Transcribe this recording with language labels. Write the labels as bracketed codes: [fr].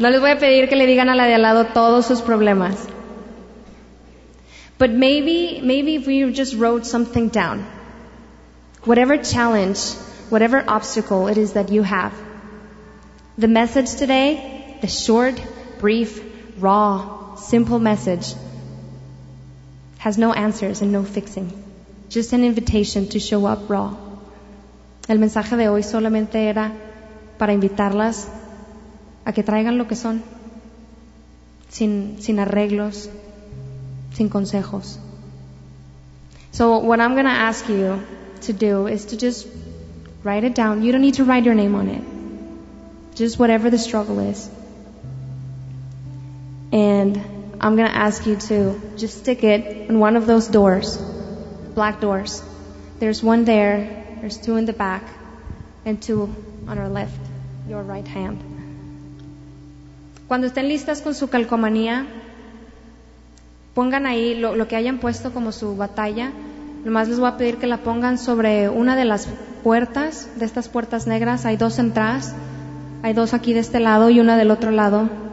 [es] No les voy a pedir que le digan a la de al lado todos sus problemas. [en] But maybe if we just wrote something down, whatever challenge, whatever obstacle it is that you have, the message today, the short, brief, raw, simple message, has no answers and no fixing. Just an invitation to show up raw. [es] El mensaje de hoy solamente era para invitarlas a que traigan lo que son, sin arreglos, sin consejos. [en] So what I'm going to ask you to do is to just write it down. You don't need to write your name on it. Just whatever the struggle is. And I'm going to ask you to just stick it in one of those doors, black doors. There's one there, there's two in the back, and two on our left, your right hand. [es] Cuando estén listas con su calcomanía, pongan ahí lo que hayan puesto como su batalla. Nomás les voy a pedir que la pongan sobre una de las puertas, de estas puertas negras. Hay dos entradas. Hay dos aquí de este lado y una del otro lado.